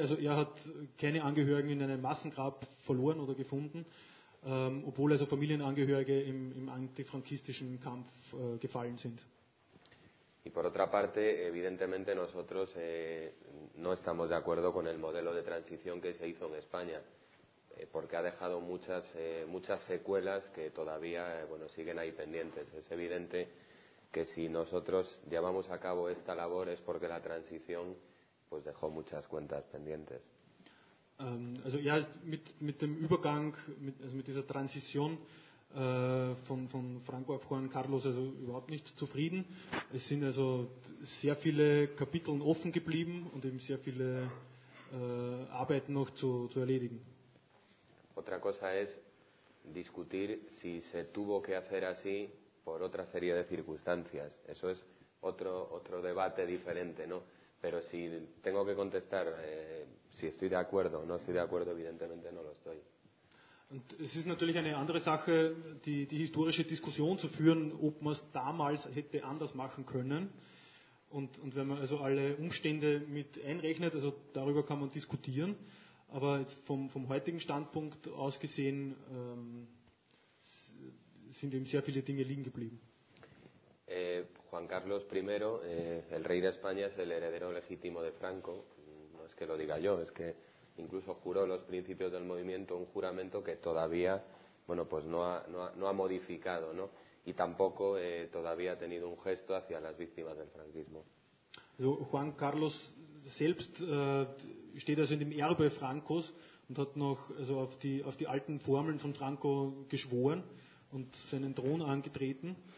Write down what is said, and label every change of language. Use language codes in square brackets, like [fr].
[de] Also er hat keine Angehörigen in einem Massengrab verloren oder gefunden, obwohl also Familienangehörige im antifrankistischen Kampf gefallen sind. [es] Y por otra parte, evidentemente nosotros no estamos de acuerdo con el modelo de transición que se hizo en España, porque ha dejado muchas secuelas que todavía siguen ahí pendientes. Es evidente que si nosotros llevamos a cabo esta labor es porque la transición pues dejó muchas cuentas pendientes. [de] Also ja, mit dem Übergang, mit dieser Transition von Franco auf Juan Carlos also überhaupt nicht zufrieden. Es sind also sehr viele Kapitel offen geblieben und eben sehr viele Arbeiten noch zu erledigen. [es] Otra cosa es discutir si se tuvo que hacer así por otra serie de circunstancias. Eso es otro debate diferente, ¿no? Pero si tengo que contestar, si estoy de acuerdo o no estoy de acuerdo, evidentemente no lo estoy. [de] Und es ist natürlich eine andere Sache, die historische Diskussion zu führen, ob man es damals hätte anders machen können. Und wenn man also alle Umstände mit einrechnet, also darüber kann man diskutieren. Aber jetzt vom heutigen Standpunkt aus gesehen, sind eben sehr viele Dinge liegen geblieben. [es] Juan Carlos I, el rey de España, es el heredero legítimo de Franco. No es que lo diga yo, es que incluso juró los principios del movimiento, un juramento que todavía no ha modificado, ¿no? Y tampoco todavía ha tenido un gesto hacia las víctimas del franquismo. [de] Also Juan Carlos selbst steht also in dem Erbe Francos und hat noch also auf die alten Formeln von Franco geschworen und seinen Thron angetreten.